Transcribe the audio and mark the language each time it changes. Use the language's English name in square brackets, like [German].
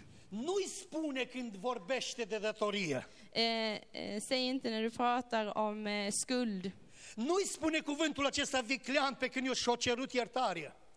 [Romanian] Nu-i spune când vorbește de datorie. [Swedish] Säg inte när du pratar om skuld. [Romanian] Nu-i spune cuvântul acesta viclean pe când eu și-o cerut iertare.